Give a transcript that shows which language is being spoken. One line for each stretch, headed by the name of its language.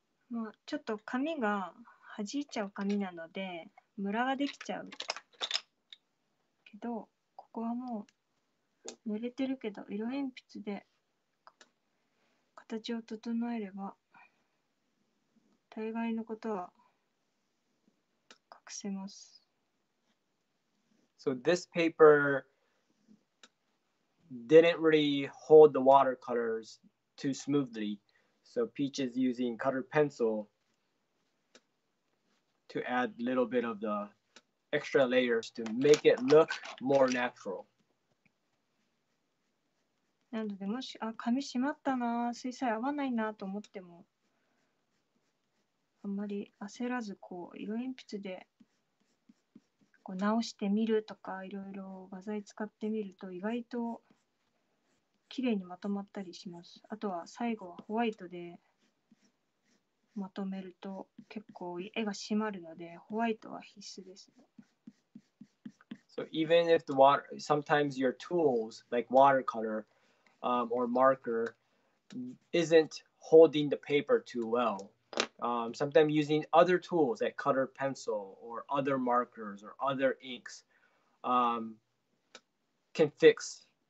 Japanese: もうちょっと紙が弾いちゃう紙なのでムラができちゃうけど、ここはもう濡れてるけど色鉛筆で形を整えれば大概のことは隠せます。
English: So this paper didn't really hold the watercolors too smoothly. So Peach is using colored pencil to add a little bit of the extra layers to make it look more natural.
Japanese: なのでもし、あ、紙しまったな、水彩合わないなと思っても、あんまり焦らずこう色鉛筆でこう直してみるとか、いろいろ画材使ってみると意外と綺麗にまとまったりします。あとは最後はホワイトでまとめると結構絵が締まるので、ホワイトは必須です。
English: So even if the water, sometimes your tools like watercolor, or marker isn't holding the paper too well. Sometimes using other tools like colored pencil or other markers or other inks, can fix.